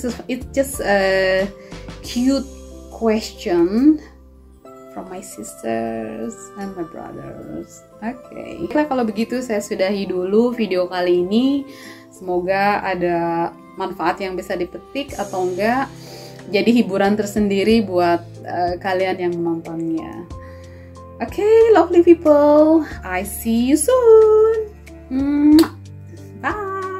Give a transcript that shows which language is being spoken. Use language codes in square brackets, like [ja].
[en] It's just a cute question from my sisters and my brothers. [id] Okay. Baiklah, kalau begitu saya sudahi dulu video kali ini. Semoga ada manfaat yang bisa dipetik atau enggak. Jadi hiburan tersendiri buat kalian yang menontonnya. [en] Okay, lovely people. I see you soon. Bye.